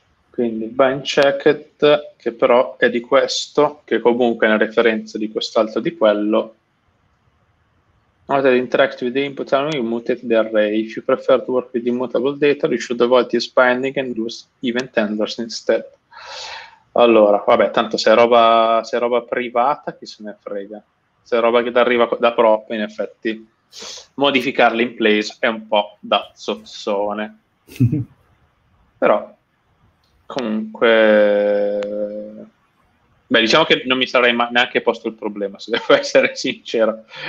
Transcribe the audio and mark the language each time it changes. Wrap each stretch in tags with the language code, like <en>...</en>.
<it>Quindi bind checked, che però è di questo, che comunque è una referenza di quest'altro, di quello.</it> <en>Not that interact with the input only, you mutate the array. If you prefer to work with immutable data, you should avoid this binding and use event handlers instead.</en> <it>Allora, vabbè, tanto se è roba privata, chi se ne frega. Se è roba che ti arriva da prop, in effetti, modificarla in place è un po' da zozzone. Grazie. Però comunque, beh, diciamo che non mi sarei neanche posto il problema, se devo essere sincero.</it>